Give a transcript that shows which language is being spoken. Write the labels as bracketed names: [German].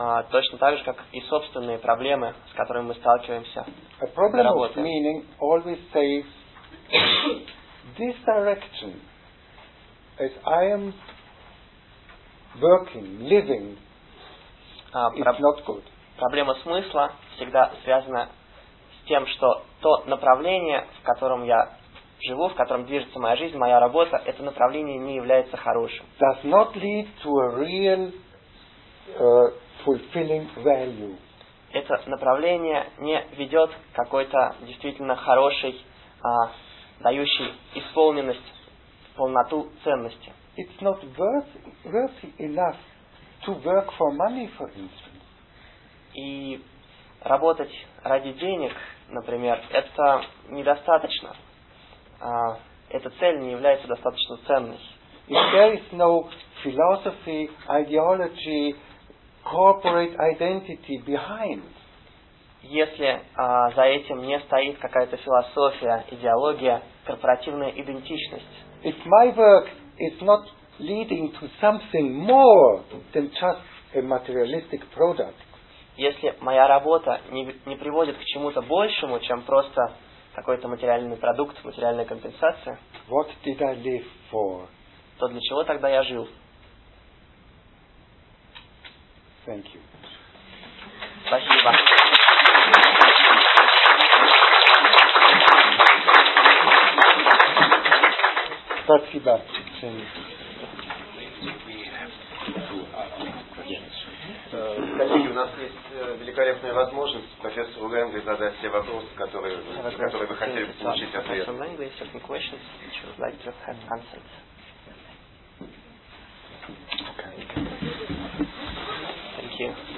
[Russian] точно так же, как и собственные проблемы, с которыми мы сталкиваемся. [English] A problem of meaning always says this direction. As I am working, living, it's not good. [Russian] Проблема смысла всегда связана с тем, что то направление, в котором я живу, в котором движется моя жизнь, моя работа, это направление не является хорошим. [English] Does not lead to a real fulfilling value. [Russian] Это направление не ведет к какой-то действительно хорошей, дающей исполненность, полноту ценности. [English] It's not worthy enough to work for money, for instance. [Russian] И работать ради денег, например, это недостаточно. Эта цель не является достаточно ценной. [English] If there is no philosophy, ideology, corporate identity behind. [Russian] Если за этим не стоит какая-то философия, идеология, корпоративная идентичность. [English] If my work is not leading to something more than just a materialistic product. [Russian] Если моя работа не приводит к чему-то большему, чем просто какой-то материальный продукт, материальная компенсация. [English] What did I live for? [Russian] То для чего тогда я жил? [English] Thank you. [Russian] Спасибо. Спасибо. Коллеги, у нас есть великолепная возможность профессору Лэнгли задать все вопросы, которые вы хотели бы получить ответ. [English] Professor Lengley, certain questions that you would like to have answered. Thank you.